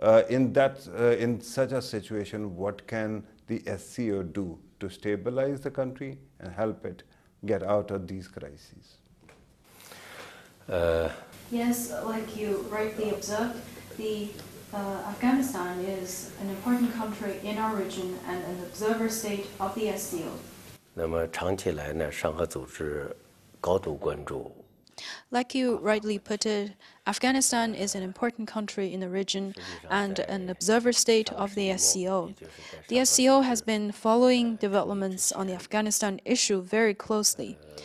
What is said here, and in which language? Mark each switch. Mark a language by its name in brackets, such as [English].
[English] In such a situation, what can the SCO do to stabilize the country and help it get out of these crises? Yes, like you rightly observed, the Afghanistan is an important country in our region and an observer state of the SCO. [Chinese] 那么长期来呢, 上合组织高度关注。 [English] Like you rightly put it, Afghanistan is an important country in the region and an observer state of the SCO. The SCO has been following developments on the Afghanistan issue very closely.